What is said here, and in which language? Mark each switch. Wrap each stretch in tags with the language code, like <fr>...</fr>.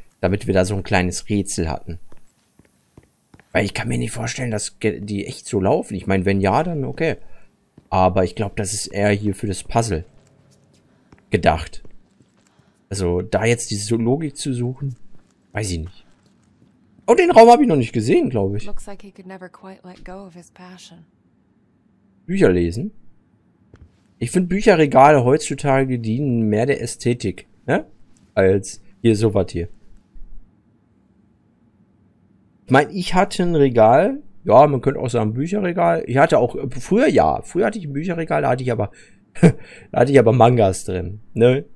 <de>Damit wir da so ein kleines Rätsel hatten. Weil ich kann mir nicht vorstellen, dass die echt so laufen. Ich meine, wenn ja, dann okay. Aber ich glaube, das ist eher hier für das Puzzle gedacht. Also da jetzt diese Logik zu suchen, weiß ich nicht. Oh, den Raum habe ich noch nicht gesehen, glaube ich.</de> <en>Looks like he could never quite let go of his passion.</en> <de>Bücher lesen? Ich finde Bücherregale heutzutage dienen mehr der Ästhetik, ne? Als hier sowas hier. Ich meine, ich hatte ein Regal. Ja, man könnte auch sagen Bücherregal. Ich hatte auch, früher hatte ich ein Bücherregal, da hatte ich aber Mangas drin. Ne?</de>